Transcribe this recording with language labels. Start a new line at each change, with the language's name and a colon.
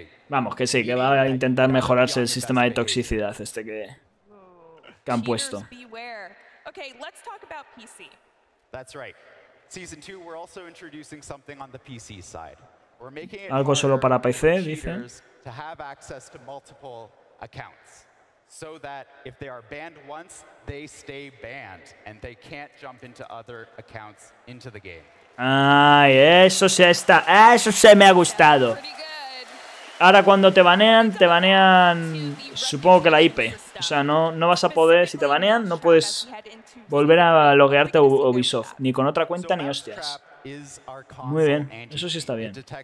Spanish: Vamos, que sí, que va a intentar mejorarse el sistema de toxicidad este que han puesto.
English: Okay, let's talk about PC. That's right. Season 2 we're also introducing something on the PC side. We're making it
Spanish: algo solo para PC, dice.
English: To have access to multiple accounts so that if they are banned once they stay banned and they can't jump into other accounts into the game.
Spanish: Ay, eso sí está, eso se me ha gustado. Ahora cuando te banean, supongo que la IP. O sea, no vas a poder, si te banean, no puedes volver a loguearte a Ubisoft. Ni con otra cuenta, ni hostias. Muy bien, eso sí está bien.